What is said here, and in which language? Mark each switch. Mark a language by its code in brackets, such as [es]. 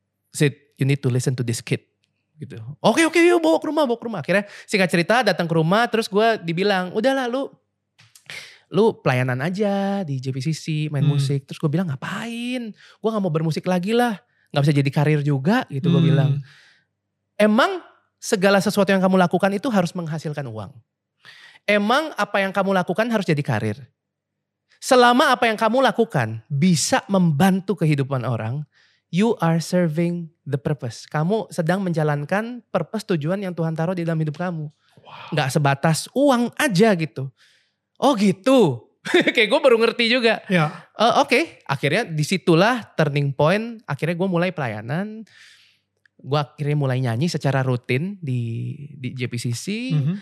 [en] Sid, you need to listen to this kid. [id] Gitu. Okay, yuk bawa ke rumah. Akhirnya singkat cerita datang ke rumah. Terus gue dibilang, udahlah lu pelayanan aja di JPCC main musik. Terus gue bilang ngapain. Gue gak mau bermusik lagi lah. Gak bisa jadi karir juga gitu gue bilang. Emang segala sesuatu yang kamu lakukan itu harus menghasilkan uang. Emang apa yang kamu lakukan harus jadi karir. Selama apa yang kamu lakukan bisa membantu kehidupan orang. [en] You are serving the purpose. [id] Kamu sedang menjalankan purpose tujuan yang Tuhan taruh di dalam hidup kamu. Wow. Gak sebatas uang aja gitu. Oh gitu. Kayak gue baru ngerti juga. Ya. Okay. Akhirnya disitulah turning point. Akhirnya gue mulai pelayanan. Gue akhirnya mulai nyanyi secara rutin di JPCC.